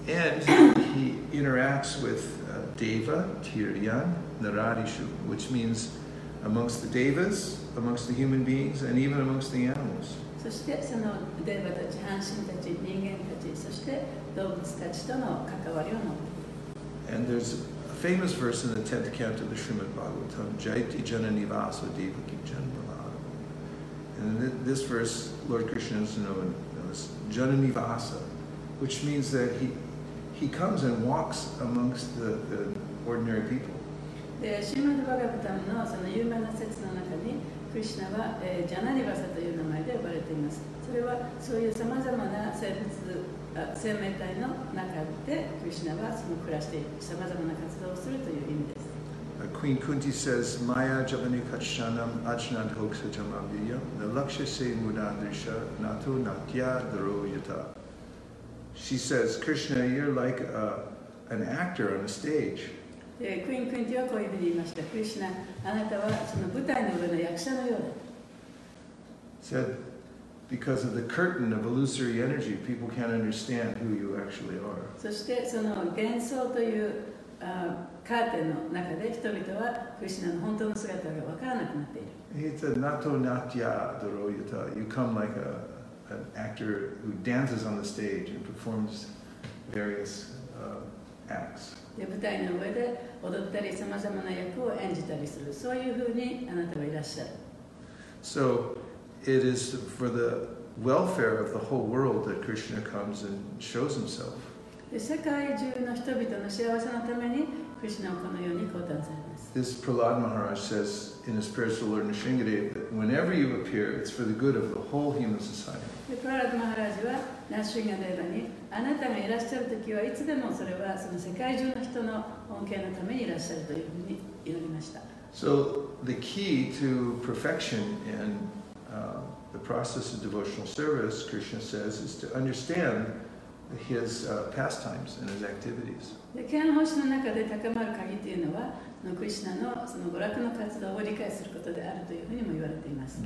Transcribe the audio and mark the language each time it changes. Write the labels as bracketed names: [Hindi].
[English] And he interacts with Deva, Tiryan, Naradishu, which means amongst the Devas, amongst the human beings, and even amongst the animals. [Japanese] そしてそのデーバたち、半身たち、人間たち、そして動物たちとの関わりを持っている。 [English] And there's a famous verse in the 10th canto of the Srimad Bhagavatam, [Sanskrit] Jaiti Jana Nivaso Devaki Janmalada. [English] And in this verse, Lord Krishna is known as Jana Nivasa, which means that he comes and walks amongst the ordinary people. [Japanese] で、シルマドバガブタムのその有名な説の中に、クリシナは、ジャナニバサという名前で呼ばれています。それはそういうさまざまな生命体の中でクリシナはその暮らしているさまざまな活動をするという意味です。 [English] Queen Kunti says [Sanskrit] Maya Javani Kachanam Ajnan Hoksa Jamabhiya Nalakshya Se Mudandrisha Nato Natya Dharo Yata. [English] She says, Krishna, you're like an actor on a stage. [Japanese] クイーン・クインティはこういうふうに言いました。クリシナ、あなたはその舞台の上の役者のようだ。 [English] Said, because of the curtain of illusory energy, people can't understand who you actually are. [Japanese] そしてその幻想というカーテンの中で人々はクリシュナの本当の姿が分からなくなっている。 [English] It's a [Sanskrit] nato natya duroyuta. [English] You come like an actor who dances on the stage and performs various acts. [Japanese] で、舞台の上で踊ったり、さまざまな役を演じたりする。そういうふうにあなたはいらっしゃる。 [English] So it is for the welfare of the whole world that Krishna comes and shows himself. [Japanese] で、世界中の人々の幸せのために、クリシュナはこのように降誕されます。 [English] This Prahlad Maharaj says in his prayers to Lord Nrisimhadeva that whenever you appear, it's for the good of the whole human society. [Japanese] Prahlad Maharaj は Nrisimhadeva に、あなたがいらっしゃるときはいつでもそれはその世界中の人の恩恵のためにいらっしゃるというふうに言われました。 [English] So the key to perfection in the process of devotional service, Krishna says, is to understand his pastimes and his activities. [Japanese] で、権欲の中で高まる鍵というのは、クリシュナのその娯楽の活動を理解することであるというふうにも言われています。